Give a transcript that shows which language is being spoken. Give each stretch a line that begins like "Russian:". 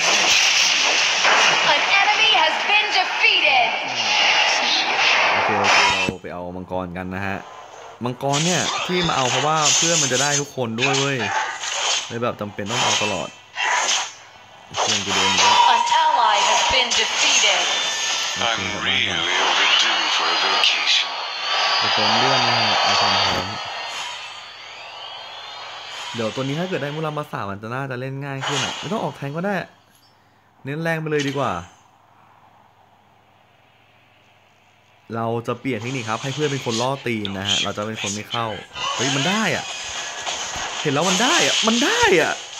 English: An enemy has been defeated.
Thai: โอเคเราไปเอามังกรกันนะฮะมังกรเนี่ยที่มาเอาเพราะว่าเพื่อนมันจะได้ทุกคนด้วยเว้ยเลยแบบจำเป็นต้องเอาตลอดเพื่อนจะโดนเยอะ
English: An ally has been defeated. I'm really overdue for a vacation.
Thai: ไปเติมเลือดนะฮะเอาความพร้อมเดี๋ยวตัวนี้ถ้าเกิดได้มูลามาสามันจะน่าจะเล่นง่ายขึ้นอ่ะไม่ต้องออกแทงก็ได้เน้นแรงไปเลยดีกว่าเราจะเปลี่ยนเทคนิคครับให้เพื่อนเป็นคนล่อตีนนะฮะเราจะเป็นคนไม่เข้าเฮ้ยมันได้อ่ะเห็นแล้วมันได้อ่ะมันได้อ่ะ